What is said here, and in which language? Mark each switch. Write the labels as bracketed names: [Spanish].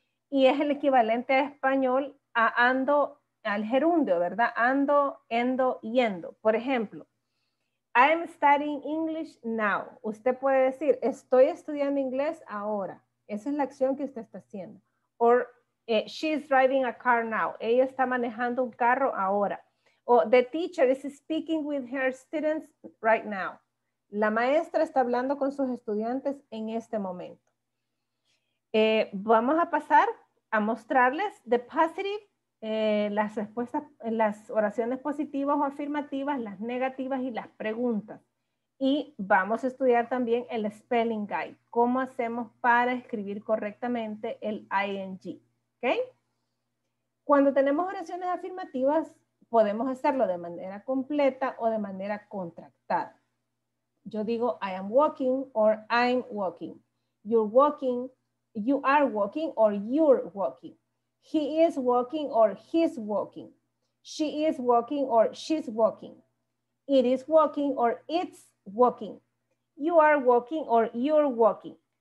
[Spanish] Y es el equivalente a español a ando, al gerundio, ¿verdad? Ando, endo, yendo. Por ejemplo, [English] I'm studying English now. [Spanish] Usted puede decir, estoy estudiando inglés ahora. Esa es la acción que usted está haciendo. [English] Or, she's driving a car now. [Spanish] Ella está manejando un carro ahora. [English] O, the teacher is speaking with her students right now. [Spanish] La maestra está hablando con sus estudiantes en este momento. Vamos a pasar a mostrarles [English] the positive. [Spanish] Las respuestas, las oraciones positivas o afirmativas, las negativas y las preguntas. Y vamos a estudiar también el spelling guide. ¿Cómo hacemos para escribir correctamente el ing? ¿Ok? Cuando tenemos oraciones afirmativas, podemos hacerlo de manera completa o de manera contractada. Yo digo, [English] I am walking or I'm walking. You're walking, you are walking or you're walking. He is walking or he's walking. She is walking or she's walking. It is walking or it's walking. You are walking or you're walking.